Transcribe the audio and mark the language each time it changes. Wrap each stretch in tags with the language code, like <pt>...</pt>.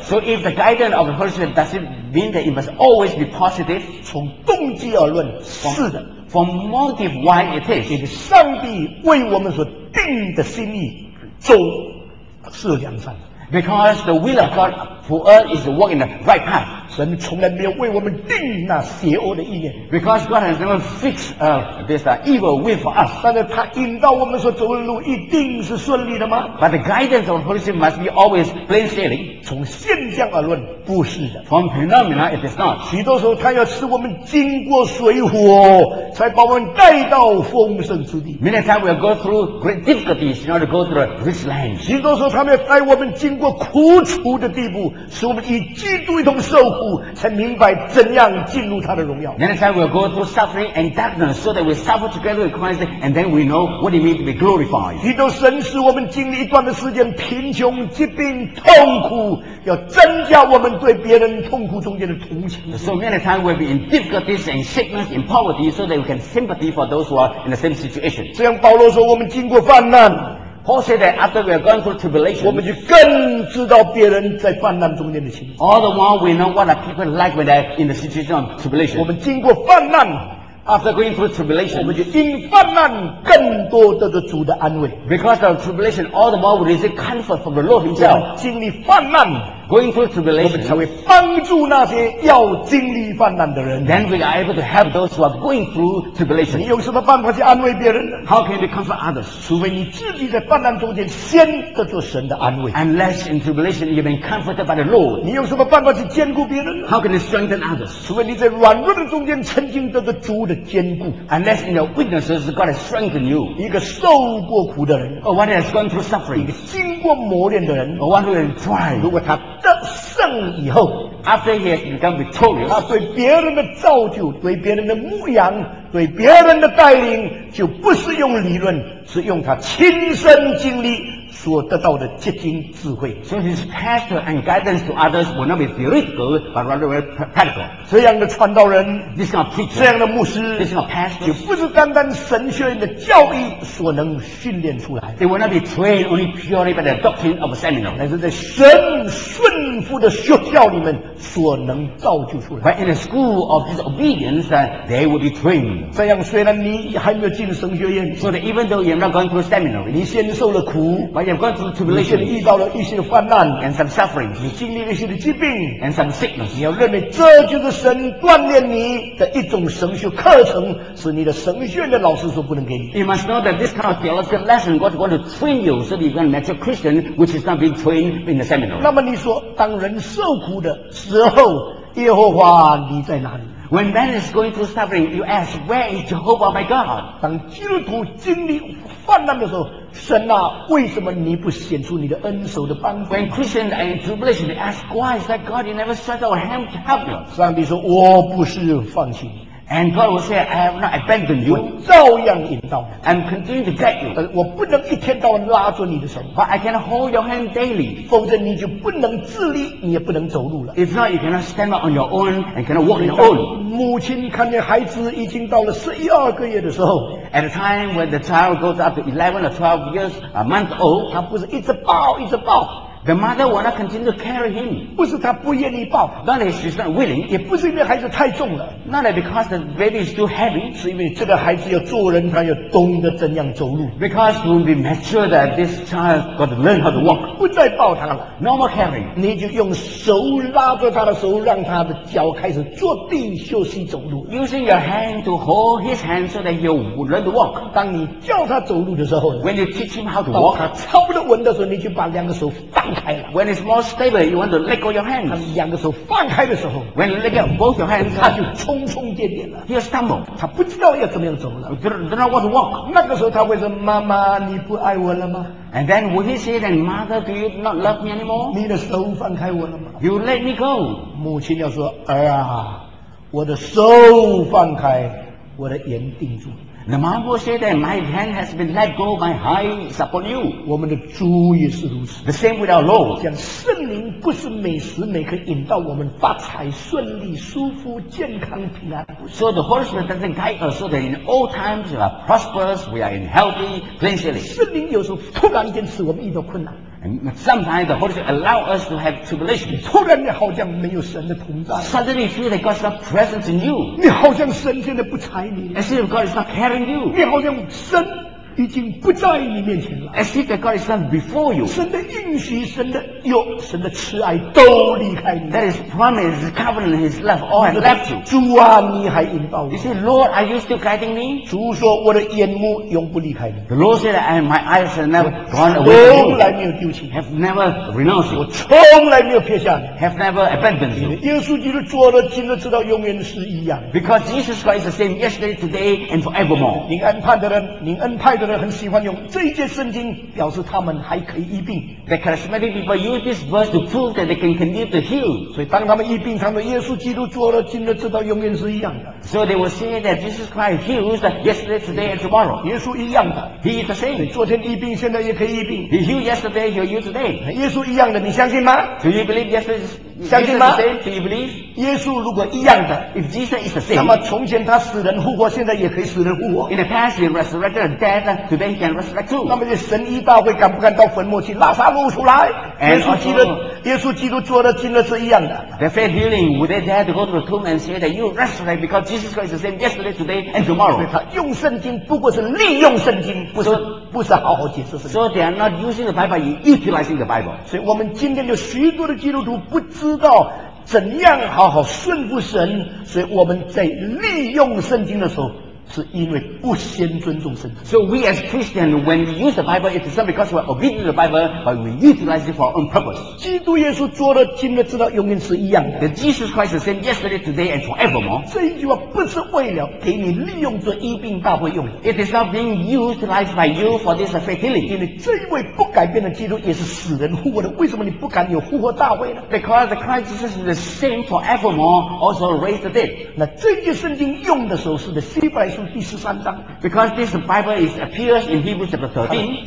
<en>？So if the guidance of the Holy Spirit does it mean that it must always be positive?</en> <zh>从动机而论，是的。</zh> <en>From motive, why it is?</en> <zh>因为上帝为我们所定的心意走是良善。</zh> <en>Because the will of God for us is to walk in the right path.</en> <zh>神从来没有为我们定那邪恶的意念。</zh> <en>Because God has never fixed this evil will for us.</en> <zh>但是他引导我们所走的路一定是顺利的吗</zh> <en>？But the guidance of the Holy Spirit must be always plain sailing.</en> <zh>从现象而论，不是的。</zh> <en>From phenomena, it is not.</en> <zh>许多时候，他要使我们经过水火，才把我们带到丰盛之地。</zh> <en>Many times we will go through great difficulties in order to go to the rich land.</en> <zh>许多时候，他们要带我们经过苦楚的地步，使我们与基督一同受苦，才明白怎样进入他的荣耀。</zh> <en>Many times we will go through suffering and darkness so that we suffer together with Christ and then we know what it means to be glorified.</en> <zh>许多神使我们经历一段的时间贫穷、疾病、痛苦，要增加我们对别人痛苦中间的同情。</zh> <en>So many times we will be in difficulties and sickness and poverty so that we can sympathy for those who are in the same situation.</en> <zh>这样保罗说，我们经过患难。</zh> <en>Paul said that after we are gone through tribulation,</en> <zh>我们就更知道别人在患难中间的心。</zh> <en>All the while we know what are people like when they're in the situation of tribulation.</en> <zh>我们经过患难</zh> <en>，after going through tribulation,</en> <zh>我们就因患难更多得着主的安慰。</zh> <en>Because of tribulation, all the while we receive comfort from the Lord Himself.</en> <zh>经历患难</zh> <en>，going through tribulation,</en> <zh>我们才会帮助那些要经历患难的人。</zh> <en>Then we are able to help those who are going through tribulation.</en> <zh>你用什么办法去安慰别人</zh> <en>？How can we comfort others?</en> <zh>除非你自己在患难中间先得着神的安慰。</zh> <en>Unless in tribulation you've been comforted by the Lord.</en> <zh>你用什么办法去坚固别人</zh> <en>？How can you strengthen others?</en> <zh>除非你在软弱的中间曾经得着主的坚固。</zh> <en>Unless in your weaknesses God has strengthened you.</en> <zh>一个受过苦的人</zh> <en>，or one who has gone through suffering.</en> <zh>一个经过磨练的人</zh> <en>，or one who has tried.</en> <zh>如果他得胜以后</zh> <en>，after he has become victorious，</en> <zh>他对别人的造就，对别人的牧养，对别人的带领，就不是用理论，是用他亲身经历所得到的结晶智慧。</zh> <en>So his pastor and guidance to others will not be theoretical, but rather very practical.</en> <zh>这样的传道人</zh> <en>，this kind of preacher，</en> <zh>这样的牧师</zh> <en>，this kind of pastor，</en> <zh>就不是单单神学院的教义所能训练出来的。</zh> <en>It will not be trained only purely by the doctrine of a seminary，</en> <zh>乃是在神顺服的学校里面所能造就出来的。</zh> <en>But in the school of his obedience, they will be trained.</en> <zh>这样虽然你还没有进神学院</zh> <en>，so that even though you're not going through seminary，</en> <zh>你先受了苦。</zh> <en>But you've gone through tribulation,</en> <zh>遇到了一些患难</zh> <en>and some suffering.</en> <zh>你经历一些的疾病</zh> <en>and some sickness.</en> <zh>你要认为这就是神锻炼你的一种神学课程，是你的神学的老师所不能给你。</zh> <en>You must know that this kind of theological lesson God wants to train you so that you can mature Christian, which is not being trained in the seminary.</en> <zh>那么你说，当人受苦的时候，耶和华你在哪里？</zh> <en>When man is going through suffering, you ask, where is Jehovah my God?</en> <zh>当基督徒经历患难的时候，神啊，为什么你不显出你的恩手的帮助？</zh> <en>When Christians are in tribulation, they ask, why is that God? You never stretch out a hand to help you.</en> <zh>上帝说，我不是放弃你。</zh> <en>And God will say, I have not abandoned you.</en> <zh>我照样引导你。</zh> <en>I'm continuing to guide you.</en> <zh>我不能一天到晚拉住你的手。</zh> <en>But I can hold your hand daily.</en> <zh>否则你就不能自立，你也不能走路了。</zh> <en>If not, you cannot stand up on your own and cannot walk on your own.</en> <zh>母亲看见孩子已经到了十一二个月的时候</zh> <en>，At a time when the child goes up to 11 or 12 years a month old，</en> <zh>他不是一直抱，一直抱。</zh> <en>The mother will not continue to carry him.</en> <zh>不是她不愿意抱</zh> <en>，Not that she's not willing.</en> <zh>也不是因为孩子太重了</zh> <en>，Not that because the baby is too heavy.</en> <zh>是因为这个孩子要做人，他要懂得怎样走路。</zh> <en>Because we'll be mature that this child got to learn how to walk.</en> <zh>不再抱他了</zh> <en>，No more carrying.</en> <zh>你就用手拉着他的手，让他的脚开始坐地休息走路。</zh> <en>Using your hand to hold his hand so that he will learn to walk.</en> <zh>当你教他走路的时候</zh> <en>，When you teach him how to walk,</en> <zh>他差不多稳的时候，你就把两个手放。放开了。</zh> <en>When it's more stable, you want to let go your hands.</en> <zh>他们两个手放开的时候</zh> <en>，When let go both your hands,</en> <zh>他就冲冲点点了。</zh> <en>He stumble.</en> <zh>他不知道要怎么样走了。</zh> <en>Don't know what to walk.</en> <zh>那个时候他会说：“妈妈，你不爱我了吗？”</zh> <en>And then would he say that, "Mother, do you not love me anymore?"</en> <zh>你的手放开我了吗</zh> <en>？You let me go.</en> <zh>母亲要说：“儿啊，我的手放开，我的眼定住。”</zh> <en>The mom will say that, "My hand has been let go. My eyes upon you."</en> <zh>我们的主也是如此。</zh> <en>The same with our Lord.</en> <zh>讲圣灵不是每时每刻引导我们发财、顺利、舒服、健康、平安。</zh> <en>So the Holy Spirit doesn't guide us so that in all times we are prosperous, we are in healthy, financially.</en> <zh>圣灵有时候突然间使我们遇到困难。</zh> <en>And sometimes the Holy Spirit allows us to have tribulation.</en> <zh>突然你好像没有神的同在。</zh> <en>Suddenly you feel that God's not present in you.</en> <zh>你好像神现在不睬你。</zh> <en>As if God is not caring you.</en> <zh>你好像神已经不在你面前了。</zh> <en>As if that God is not before you.</en> <zh>神的应许、神的有、神的慈爱都离开你。</zh> <en>That is promise, covenant, His love all have left you.</en> <zh>主啊，你还引导我。</zh> <en>You say, Lord, are you still guiding me?</en> <zh>主说，我的眼目永不离开你。</zh> <en>The Lord said, and my eyes have never gone away from you.</en> <zh>从来没有丢弃。</zh> <en>Have never renounced you.</en> <zh>我从来没有撇下你。</zh> <en>Have never abandoned you.</en> <zh>耶稣基督做的，今日直到永远是一样。</zh> <en>Because Jesus Christ is the same yesterday, today, and forevermore.</en> <zh>您恩派的人，您恩派的人。很喜欢用这一节圣经表示他们还可以医病。</zh> <en>The charismatic people use this verse to prove that they can continue to heal.</en> <zh>所以当他们医病，他们耶稣基督做了，今日直到永远是一样的。</zh> <en>So they will say that Jesus Christ heals yesterday, today, and tomorrow.</en> <zh>耶稣一样的</zh> <en>，He is the same.</en> <zh>昨天医病，现在也可以医病。</zh> <en>He healed yesterday, He will heal today.</en> <zh>耶稣一样的，你相信吗</zh> <en>？Do you believe yesterday?</en> <zh>相信吗</zh> <en>？Do you believe?</en> <zh>耶稣如果一样的</zh> <en>，If Jesus is the same,</en> <zh>那么从前他死人复活，现在也可以死人复活。</zh> <en>In the past, He resurrected the dead. Today, He can resurrect too.</en> <zh>那么这神医大会敢不敢到坟墓去？拉萨路出来？耶稣基督做的今日是一样的。</zh> <en>The faith healing, would they dare to go to the tomb and say that you resurrect because Jesus Christ is the same yesterday, today, and tomorrow?</en> <zh>所以他用圣经不过是利用圣经，不是 不是好好解释圣经。</zh> <en>So they are not using the Bible, you're utilizing the Bible.</en> <zh>所以我们今天有许多的基督徒不知道怎样好好顺服神，所以我们在利用圣经的时候，是因为不先尊重圣经。</zh> <en>So we as Christians, when we use the Bible, it's not because we're obedient to the Bible, but we utilize it for our own purpose.</en> <zh>基督耶稣做的，今日直到永远是一样的。</zh> <en>The Jesus Christ is the same yesterday, today, and forevermore.</en> <zh>这一句话不是为了给你利用做医病大会用。</zh> <en>It is not being utilized by you for this faith healing.</en> <zh>因为这一位不改变的基督也是死人复活的，为什么你不敢有复活大会呢</zh> <en>？Because the Christ Jesus is the same forevermore, also raised the dead.</en> <zh>那这句圣经用的时候是的希伯来书。第十三章</zh> <en>，Because this Bible is appears in Hebrews chapter 13.</en>